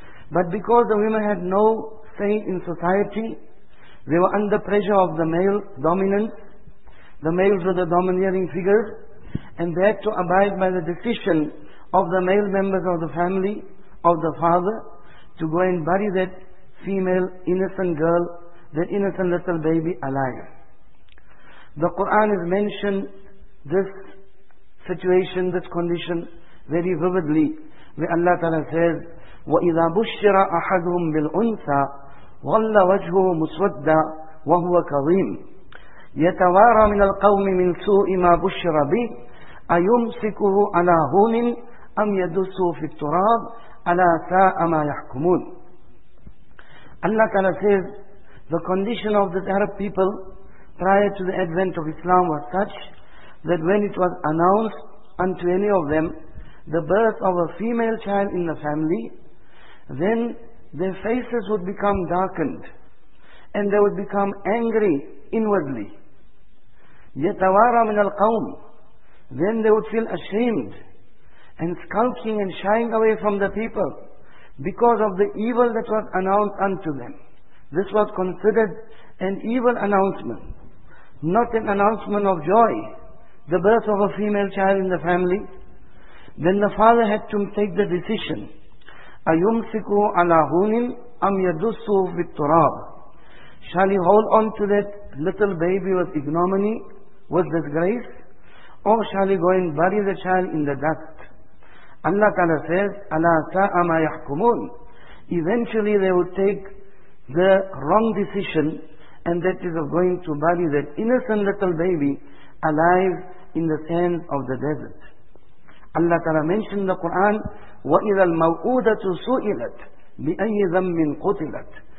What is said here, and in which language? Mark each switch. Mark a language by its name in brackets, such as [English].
[English] But because the women had no say in society, they were under pressure of the male dominance. The males were the domineering figures, and they had to abide by the decision of the male members of the family, of the father, to go and bury that female, innocent girl, their innocent little baby alive. The Quran has mentioned this situation, this condition very vividly, where Allah Ta'ala says, [Arabic] وَإِذَا بُشِّرَ أَحَدُهُمْ بِالْأُنْثَى وَلَّ وَجْهُهُ مُسْوَدًّا وَهُوَ كَظِيمٌ يَتَوَارَى مِنَ الْقَوْمِ مِنْ سُوءِ مَا بُشِّرَ بِهِ أَيُمْسِكُهُ عَلَى هُونٍ أَمْ يَدُسُّهُ فِي التُّرَابِ أَلَا سَاءَ مَا يَحْكُمُونَ. [English] Allah Ta'ala says, the condition of the Arab people prior to the advent of Islam was such that when it was announced unto any of them the birth of a female child in the family, then their faces would become darkened and they would become angry inwardly. [Arabic] يَتَوَارَى مِنَ الْقَوْمِ. [English] Then they would feel ashamed and skulking and shying away from the people because of the evil that was announced unto them. This was considered an evil announcement, not an announcement of joy, the birth of a female child in the family. Then the father had to take the decision, [Arabic] أَيُمْسِكُوا عَلَىٰ هُونٍ أَمْ يَدُسُّوا فِي التُّرَابِ. [English] Shall he hold on to that little baby with ignominy, with disgrace, or shall he go and bury the child in the dust? Allah Ta'ala says, [Arabic] أَلَىٰ سَاءَ مَا يَحْكُمُونَ. [English] Eventually they would take the wrong decision, and that is of going to bury that innocent little baby alive in the sands of the desert. Allah Ta'ala mentioned in the Quran, [Arabic] وَإِذَا الْمَوْءُودَةُ سُئِلَتْ بِأَيِّ ذَنْبٍ قُتِلَتْ.